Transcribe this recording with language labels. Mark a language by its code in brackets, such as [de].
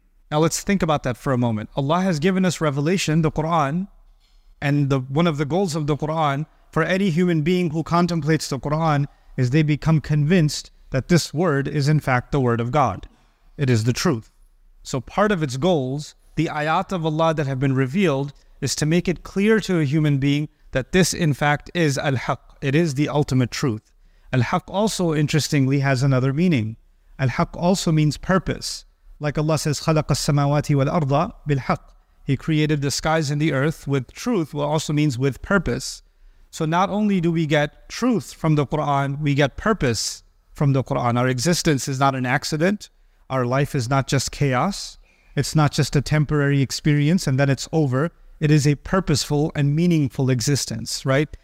[en] Now let's think about that for a moment. Allah has given us revelation, the Qur'an, and one of the goals of the Qur'an for any human being who contemplates the Qur'an is they become convinced that this word is in fact the word of God. It is the truth. So part of its goals, the ayat of Allah that have been revealed, is to make it clear to a human being that this in fact is al-haq. It is the ultimate truth. Al-haq also, interestingly, has another meaning. Al-haq also means purpose. Like Allah says, [ar] خَلَقَ السَّمَاوَاتِ وَالْأَرْضَ بِالْحَقِّ. [en] He created the skies and the earth with truth, which also means with purpose. So not only do we get truth from the Qur'an, we get purpose from the Qur'an. Our existence is not an accident. Our life is not just chaos. It's not just a temporary experience and then it's over. It is a purposeful and meaningful existence, right?